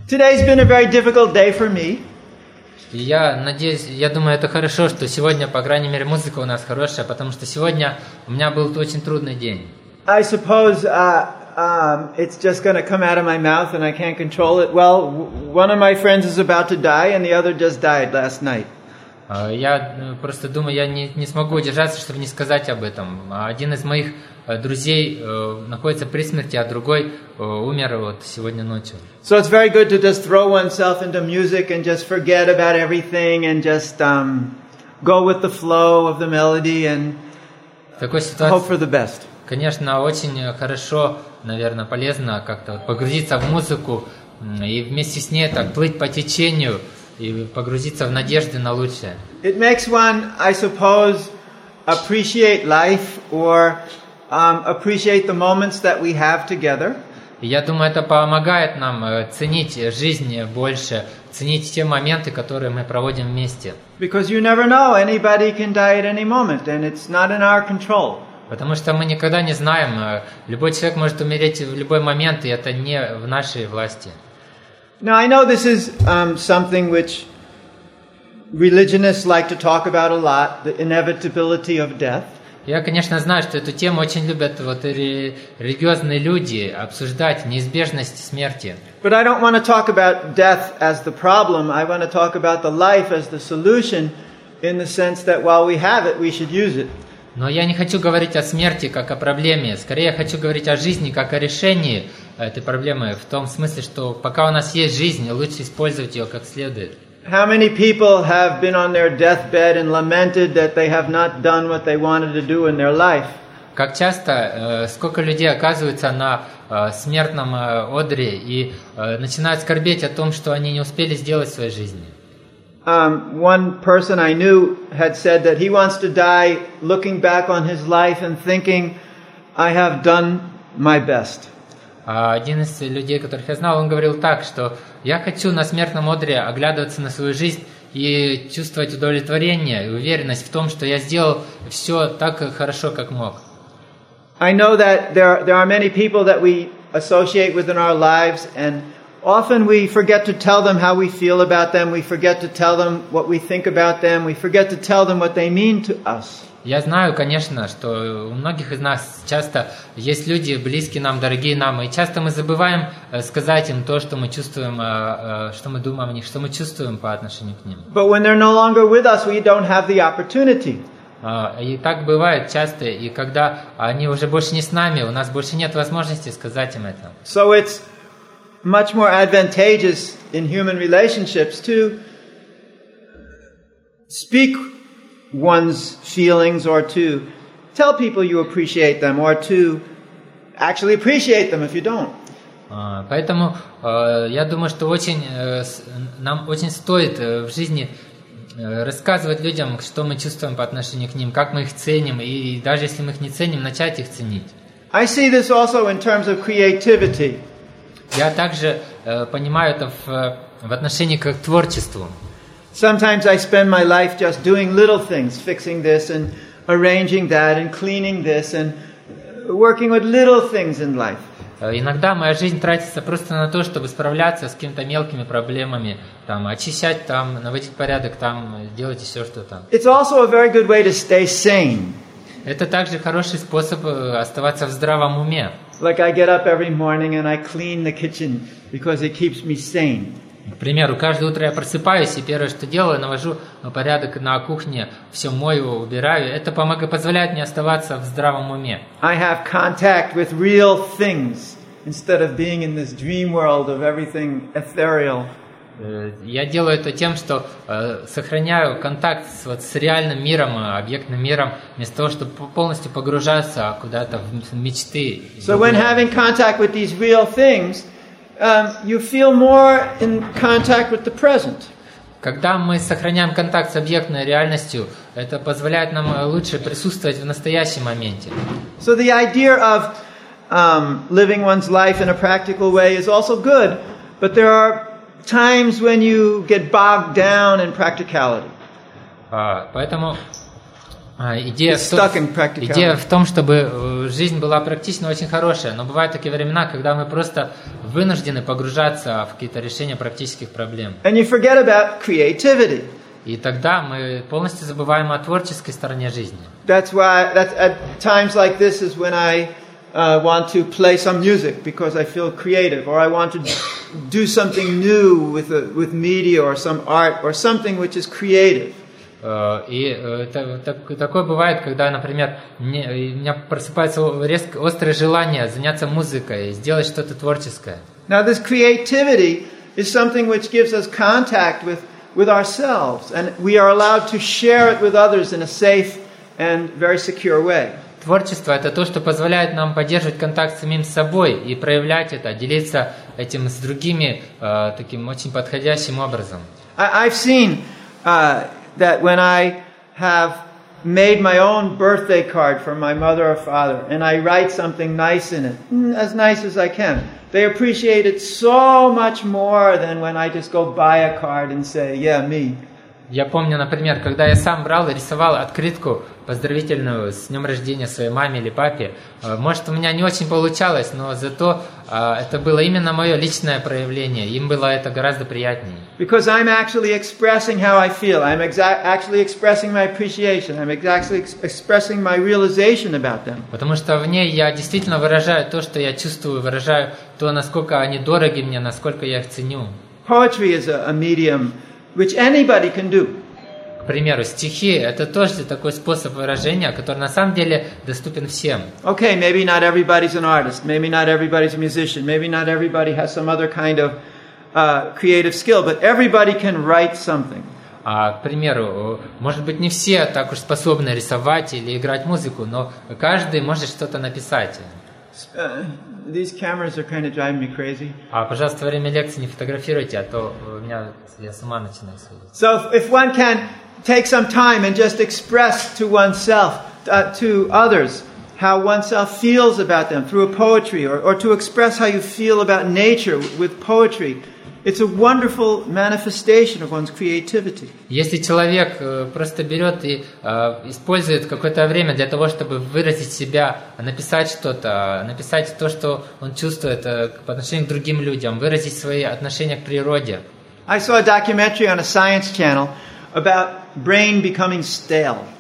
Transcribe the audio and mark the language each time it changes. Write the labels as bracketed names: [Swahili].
[English] Today's been a very difficult day for me. [Russian] Я надеюсь, я думаю, это хорошо, что сегодня, по крайней мере, музыка у нас хорошая, потому что сегодня у меня был очень трудный день. [English] I suppose it's just going to come out of my mouth and I can't control it. Well, one of my friends is about to die and the other just died last night. [Russian] Я просто думаю, я не смогу удержаться, чтобы не сказать об этом. Один из моих друзей находится при смерти, а другой умер вот сегодня ночью. [English] So it's very good to just throw oneself into music and just forget about everything and just go with the flow of the melody and hope for the best. [Russian] Конечно, очень хорошо, наверное, полезно как-то погрузиться в музыку и вместе с ней так плыть по течению и погрузиться в надежды на лучшее. [English] It makes one, I suppose, appreciate life or appreciate the moments that we have together. [Russian] Я думаю, это помогает нам ценить жизнь больше, ценить те моменты, которые мы проводим вместе. [English] Because you never know, anybody can die at any moment, and it's not in our control. [Russian] Потому что мы никогда не знаем, любой человек может умереть в любой момент, и это не в нашей власти. [English] Now I know this is something which religionists like to talk about a lot, the inevitability of death. [Russian] Я, конечно, знаю, что эту тему очень любят вот религиозные люди обсуждать, неизбежность смерти. [English] But I don't want to talk about death as the problem. I want to talk about the life as the solution in the sense that while we have it, we should use it. [Russian] Но я не хочу говорить о смерти как о проблеме. Скорее, я хочу говорить о жизни как о решении этой проблемы в том смысле, что пока у нас есть жизнь, лучше использовать ее как следует. [English] How many people have been on their deathbed and lamented that they have not done what they wanted to do in their life? [Russian] Как часто, сколько людей оказывается на смертном одре и начинают скорбеть о том, что они не успели сделать в своей жизни? [English] One person I knew had said that he wants to die looking back on his life and thinking, I have done my best. [Russian] Один из людей, которых я знал, он говорил так, что я хочу на смертном одре оглядываться на свою жизнь и чувствовать удовлетворение и уверенность в том, что я сделал все так хорошо, как мог. [English] I know that there are many people that we associate with in our lives, and often we forget to tell them how we feel about them, we forget to tell them what we think about them, we forget to tell them what they mean to us. [Russian] Я знаю, конечно, что у многих из нас часто есть люди, близкие нам, дорогие нам, и часто мы забываем сказать им то, что мы чувствуем, что мы думаем о них, что мы чувствуем по отношению к ним. [English] But when they're no longer with us, we don't have the opportunity. [Russian] И так бывает часто, и когда они уже больше не с нами, у нас больше нет возможности сказать им это. [English] So it's much more advantageous in human relationships to speak one's feelings or to tell people you appreciate them or to actually appreciate them if you don't. [Russian] Поэтому я думаю, что нам очень стоит в жизни рассказывать людям, что мы чувствуем по отношению к ним, как мы их ценим, и даже если мы их не ценим, начать их ценить. [English] I see this also in terms of creativity. [Russian] Я также понимаю это в отношении к творчеству. [English] Sometimes I spend my life just doing little things, fixing this and arranging that and cleaning this and working with little things in life. [Russian] Иногда моя жизнь тратится просто на то, чтобы справляться с какими-то мелкими проблемами, там очищать, там наводить порядок, там делать все что-то. [English] It's also a very good way to stay sane. [Russian] Это также хороший способ оставаться в здравом уме. [English] Like I get up every morning and I clean the kitchen because it keeps me sane. [Russian] К примеру, каждое утро я просыпаюсь, и первое, что делаю, навожу порядок на кухне, все мою, убираю. Это помогает, позволяет мне оставаться в здравом уме. [English] I have contact with real things instead of being in this dream world of everything ethereal. [Russian] Я делаю это тем, что сохраняю контакт с реальным миром, объектным миром, вместо того, чтобы полностью погружаться куда-то в мечты. [English] So when having contact with these real things, you feel more in contact with the present. [Russian] Когда мы сохраняем контакт с объектной реальностью, это позволяет нам лучше присутствовать в настоящем моменте. [English] So the idea of living one's life in a practical way is also good, but there are times when you get bogged down in practicality. [Russian] Поэтому Идея в том, чтобы жизнь была практична, очень хорошая. Но бывают такие времена, когда мы просто вынуждены погружаться в какие-то решения практических проблем. [English] And you forget about creativity. [Russian] И тогда мы полностью забываем о творческой стороне жизни. [English] That's why that's at times like this is when I want to play some music because I feel creative, or I want to do something new with media or some art or something which is creative. [Russian] Такое бывает, когда, например, у меня просыпается острое желание заняться музыкой, сделать что-то творческое. [English] Now this creativity is something which gives us contact with ourselves, and we are allowed to share it with others in a safe and very secure way. [Russian] Творчество — это то, что позволяет нам поддерживать контакт с самим собой и проявлять это, делиться этим с другими таким очень подходящим образом. [English] I've seen that when I have made my own birthday card for my mother or father, and I write something nice in it, as nice as I can, they appreciate it so much more than when I just go buy a card and say, yeah, me. [Russian] Я помню, например, когда я сам брал и рисовал открытку поздравительную с днем рождения своей маме или папе, может, у меня не очень получалось, но зато это было именно мое личное проявление. Им было это гораздо приятнее. [English] Because I'm actually expressing how I feel. I'm actually expressing my appreciation. I'm exactly expressing my realization about them. [Russian] Потому что в ней я действительно выражаю то, что я чувствую, выражаю то, насколько они дороги мне, насколько я их ценю. [English] Poetry is a medium which anybody can do. [Russian] К примеру, стихи — это тоже такой способ выражения, который на самом деле доступен всем. [English] Okay, maybe not everybody's an artist, maybe not everybody's a musician, maybe not everybody has some other kind of creative skill, but everybody can write something. [Russian] К примеру, может быть, не все так уж способны рисовать или играть музыку, но каждый может что-то написать. [English] These cameras are kind of driving me crazy. [Russian] Пожалуйста, во время лекции не фотографируйте, а то я с ума начинаю сходить. [English] So if one can take some time and just express to oneself, to others, how oneself feels about them through a poetry, or to express how you feel about nature with poetry, it's a wonderful manifestation of one's creativity. [Russian] Если человек просто берет и использует какое-то время для того, чтобы выразить себя, написать что-то, написать то, что он чувствует по отношению к другим людям, выразить свои отношения к природе. [English] I saw a documentary on a science channel about brain becoming stale.